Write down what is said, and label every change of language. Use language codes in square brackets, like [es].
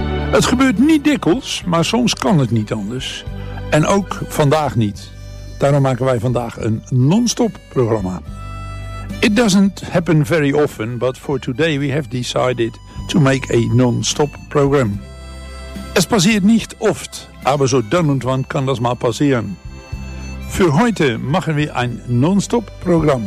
[nl] Het gebeurt niet dikwijls, maar soms kan het niet anders. En ook vandaag niet. Daarom maken wij vandaag een non-stop programma. [en] It doesn't happen very often, but for today we have decided to make a non-stop program. [de] Es passiert nicht oft, aber so dann und wann kann das mal passieren. Für heute machen wir ein Non-Stop-Programm.